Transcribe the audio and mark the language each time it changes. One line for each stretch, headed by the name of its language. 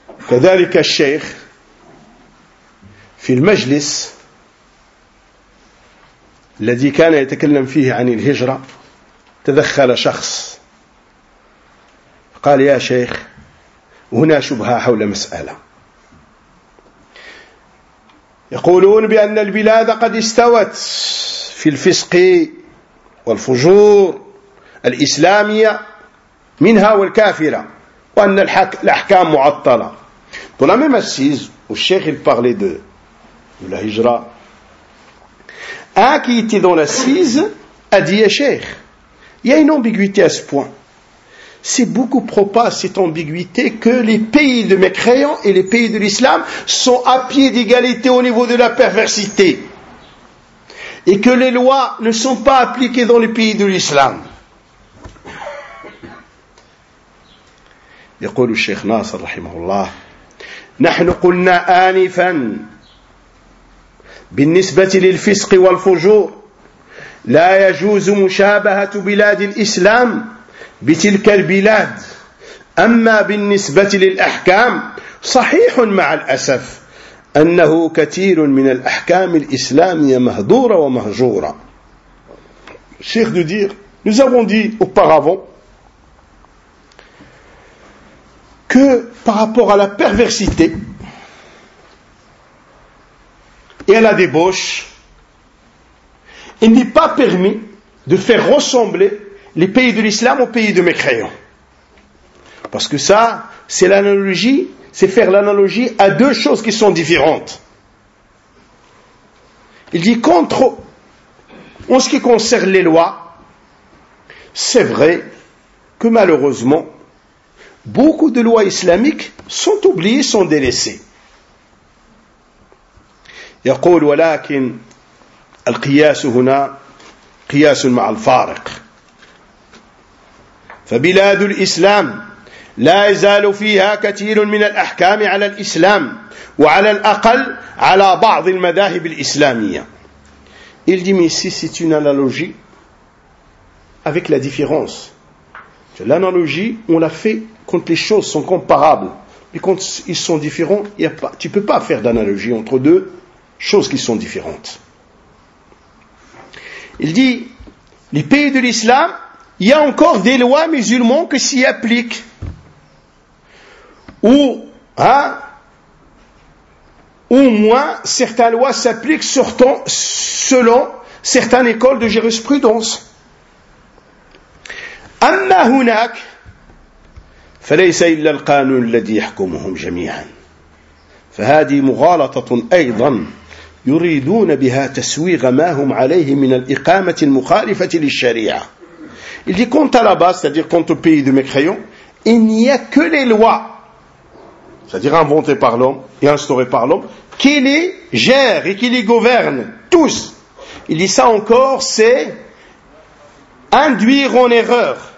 Arabic: كذلك الشيخ في المجلس الذي كان يتكلم فيه عن الهجرة تدخل شخص قال يا شيخ هنا شبهة حول مسألة يقولون بأن البلاد قد استوت في الفسق والفجور الإسلامية منها والكافرة وأن الأحكام معطلة.
French: Dans la même assise, au cheikh, il parlait de la hijra. Un qui était dans l'assise a dit, « Cheikh, il y a une ambiguïté à ce point. C'est beaucoup propice cette ambiguïté que les pays de mécréants et les pays de l'islam sont à pied d'égalité au niveau de la perversité. Et que les lois ne sont pas appliquées dans les pays de l'islam. »
Arabic: يقول الشيخ ناصر رحمه الله نحن قلنا آنفا بالنسبة للفسق والفجور لا يجوز مشابهة بلاد الإسلام بتلك البلاد أما بالنسبة للأحكام صحيح مع الأسف أنه كثير من الأحكام الإسلامية مهضورة ومهجورة. الشيخ دو دير
French: nous avons dit auparavant que par rapport à la perversité et à la débauche, il n'est pas permis de faire ressembler les pays de l'islam aux pays de mécréants. Parce que ça, c'est l'analogie, c'est faire l'analogie à deux choses qui sont différentes. Il dit contre, en ce qui concerne les lois, c'est vrai que malheureusement, beaucoup de lois islamiques sont oubliées, sont délaissées.
Arabic: يقول ولكن القياس هنا قياس مع الفارق. فبلاد الإسلام لا يزال فيها كثير من الأحكام على الإسلام وعلى الأقل على بعض المذاهب الإسلامية.
French: Il dit mais ici c'est une analogie avec la différence. L'analogie, on l'a fait quand les choses sont comparables. Mais quand ils sont différents, y a pas, tu ne peux pas faire d'analogie entre deux choses qui sont différentes. Il dit, les pays de l'islam, il y a encore des lois musulmanes qui s'y appliquent. Ou, hein, au moins, certaines lois s'appliquent selon certaines écoles de jurisprudence.
Arabic: أما هناك فليس إلا القانون الذي يحكمهم جميعا فهذه مغالطة أيضا يريدون بها تسويغ ما هم عليه من الإقامة المخالفة للشريعة
French: Il dit, quant à là-bas, c'est-à-dire quant au pays de mécréants, il n'y a que les lois, c'est-à-dire inventées par l'homme et instaurées par l'homme, qui les gèrent et qui les gouvernent, tous. Il dit ça encore, c'est induire en erreur.